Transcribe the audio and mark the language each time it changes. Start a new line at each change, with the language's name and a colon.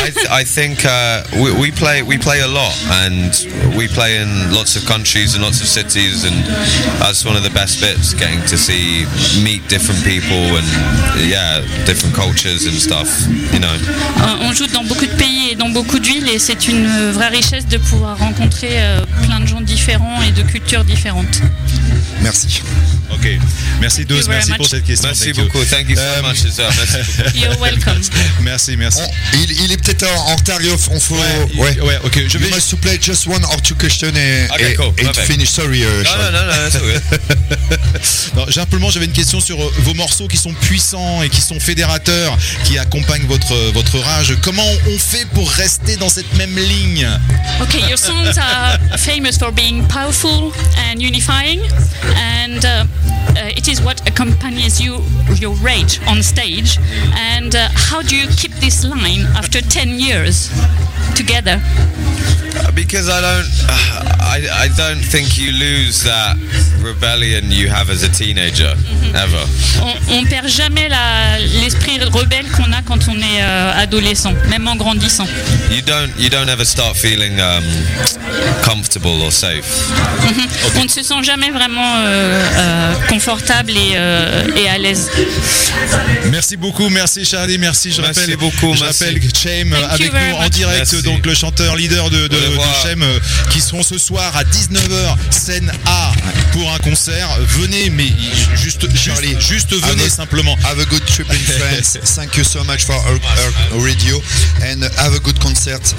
English: I think we play a lot, and we play in lots of countries and lots of cities, and that's one of the best bits, getting to see, meet different people and yeah, different cultures and stuff, you know.
French: On joue dans beaucoup de pays et dans beaucoup de villes, et c'est une vraie richesse de pouvoir rencontrer plein de gens différents et de cultures différentes. Merci. Ok, merci Douze, merci pour cette question.
English: Merci beaucoup, thank you so much. You're welcome.
French: Merci, merci. Il est peut-être en retard, on faut. Ouais, ok. Je vais juste poser just one or two questions et finir. Sorry, Charles. Non, c'est ok. Simplement, j'avais une question sur vos morceaux qui sont puissants et qui sont fédérateurs, qui accompagnent votre rage. Comment on fait pour rester dans cette même ligne?
English: Ok, your songs are famous for being powerful and unifying. And it is what accompanies you, your rage on stage. And how do you keep this line after 10 years together? Because I don't think you lose that rebellion you have as a teenager, mm-hmm. ever.
French: On perd jamais l'esprit rebelle qu'on a quand on est adolescent, même en grandissant.
English: You don't ever start feeling comfortable or safe. Mm-hmm.
French: Okay. On ne se sent jamais vraiment confortable et à l'aise. Merci beaucoup, merci Charlie, merci. Je rappelle que Chaim avec nous en direct, merci. Donc le chanteur leader de Chaim, qui seront ce soir à 19h scène A pour un concert. Venez, mais juste venez, simplement.
English: Have a good trip in France. Thank you so much for our radio and have a good concert.